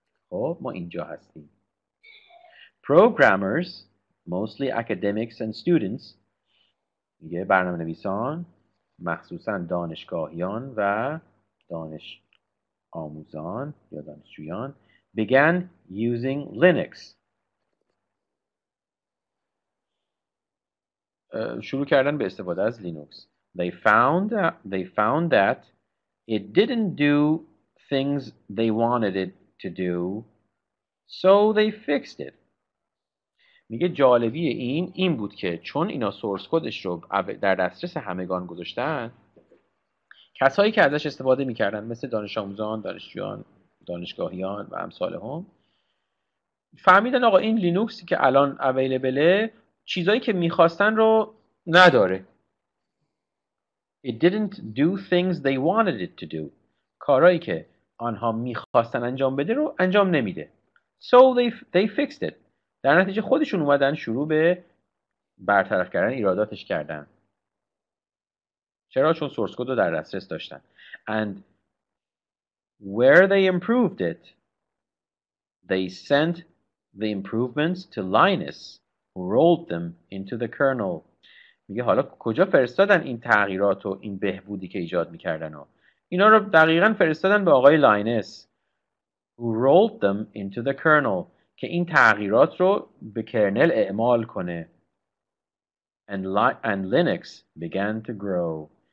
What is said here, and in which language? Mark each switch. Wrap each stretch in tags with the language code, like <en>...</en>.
<fa>خب ما اینجا هستیم.</fa> <en>Programmers mostly academics and students،</en> <fa>یه برنامه نویسان مخصوصا دانشگاهیان و دانش آموزان یا دانشجویان</fa> <en>began using Linux،</en> <fa>شروع کردن به استفاده از لینوکس.</fa> <en>They found that it didn't do things they wanted it to do, so they fixed it.</en> <fa>میگه جالبی این بود که چون اینا سورس کدش رو در دسترس همگان گذاشتن، کسایی که ازش استفاده میکردن مثل دانش آموزان، دانشجویان، دانشگاهیان و امثال هم فهمیدن آقا این لینوکسی که الان اویلیبله چیزایی که میخواستن رو نداره.</fa> <en>It didn't do things they wanted it to do.</en> <fa>کارایی که آنها میخواستن انجام بده رو انجام نمیده.</fa> <en>So they fixed it.</en> <fa>در نتیجه خودشون اومدن شروع به برطرف کردن ایراداتش کردن. چرا؟ چون سورس کد رو در دسترس داشتن.</fa> <en>And where they improved it, they sent the improvements to Linus, who rolled them into the kernel.</en> <fa>میگه حالا کجا فرستادن این تغییرات و این بهبودی که ایجاد میکردن و اینا رو؟ دقیقا فرستادن به آقای لاینس،</fa> <en>who rolled them into the kernel،</en> <fa>که این تغییرات رو به کرنل اعمال کنه.</fa> <en>And Linux began to grow.</en>